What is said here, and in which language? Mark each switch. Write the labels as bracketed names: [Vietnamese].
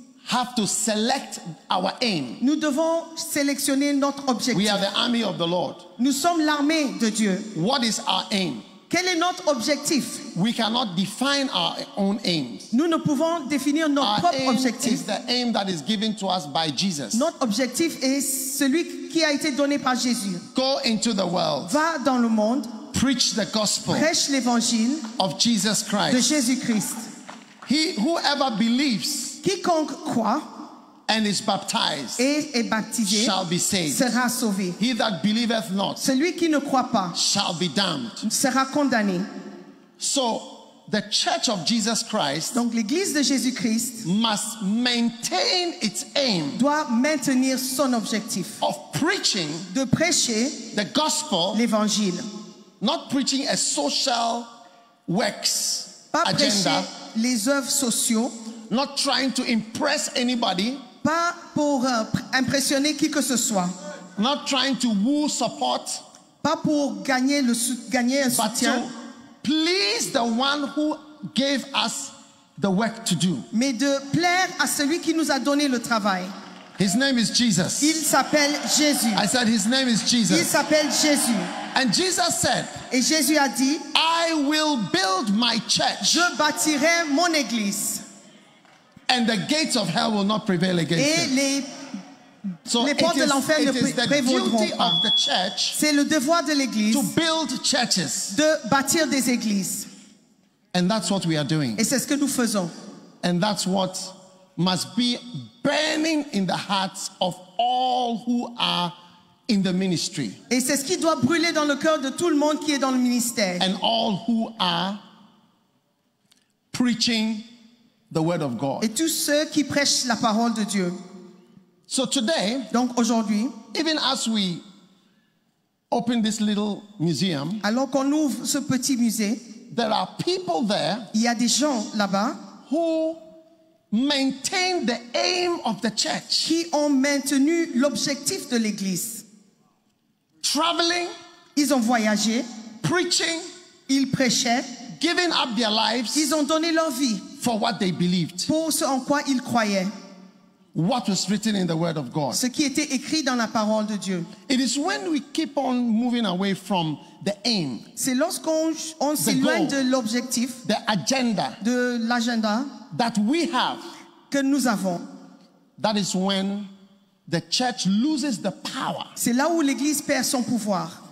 [English] have to select our aim. [French] Nous devons sélectionner notre objectif. [English] We are the army of the Lord. [French] Nous sommes l'armée de Dieu. [English] What is our aim? [French] Quel est notre objectif? [English] We cannot define our own aims. [French] Nous ne pouvons définir notre [English] our [French] propre [English] aim [French] objectif. [English] Is the aim that is given to us by Jesus. [French] Notre objectif est celui qui a été donné par Jésus. [English] Go into the world. [French] Va dans le monde. [English] Preach the gospel. [French] Prêche l'évangile. [English] Of Jesus Christ. [French] De Jésus Christ. [English] He whoever believes. [French] Quiconque croit. [English] And is baptized. [French] Et est baptisé. [English] Shall be saved. [French] Sera sauvé. [English] He that believeth not. [French] Celui qui ne croit pas. [English] Shall be damned. [French] Sera condamné. [English] So the church of Jesus Christ. [French] Donc l'église de Jésus Christ. [English] Must maintain its aim. [French] Doit maintenir son objectif. [English] Of preaching. [French] De prêcher. [English] The gospel. [French] L'évangile. [English] Not preaching a social works [French] pas [English] agenda. [French] Prêcher les œuvres sociaux. [English] Not trying to impress anybody. [French] Pas pour impressionner qui que ce soit. [English] Not trying to woo support. [French] Pas pour gagner le gagner un soutien. [English] But to please the one who gave us the work to do. [French] Mais de plaire à celui qui nous a donné le travail. [English] His name is Jesus. [French] Il s'appelle Jésus. [English] I said his name is Jesus. [French] Il s'appelle Jésus. [English] And Jesus said. [French] Et Jésus a dit. [English] I will build my church. [French] Je bâtirai mon église. [English] And the gates of hell will not prevail against [French] et [English] it. [French] So les portes de l'enfer ne prévaudront pas. C'est le devoir de l'église [English] to build churches. [French] De bâtir des églises. [English] And that's what we are doing. [French] Et c'est ce que nous faisons. [English] And that's what must be burning in the hearts of all who are in the ministry. [French] Et c'est ce qui doit brûler dans le cœur de tout le monde qui est dans le ministère. [English] And all who are preaching the word of God. [French] Et tous ceux qui prêchent la parole de Dieu. [English] So today, [French] donc aujourd'hui, [English] even as we open this little museum, [French] alors qu'on ouvre ce petit musée, [English] there are people there, [French] il y a des gens là-bas, [English] who maintain the aim of the church, [French] qui ont maintenu l'objectif de l'église. [English] Traveling, [French] ils ont voyagé, [English] preaching, [French] ils prêchaient, [English] giving up their lives, [French] ils ont donné leur vie. [English] For what they believed. [French] Pour ce en quoi ils croyaient. [English] What was written in the word of God. [French] Ce qui était écrit dans la parole de Dieu. [English] It is when we keep on moving away from the aim. [French] C'est lorsqu'on s'éloigne de l'objectif. [English] The agenda. [French] De l'agenda. [English] That we have. [French] que nous avons. [English] That is when the church loses the power. [French] C'est là où l'église perd son pouvoir.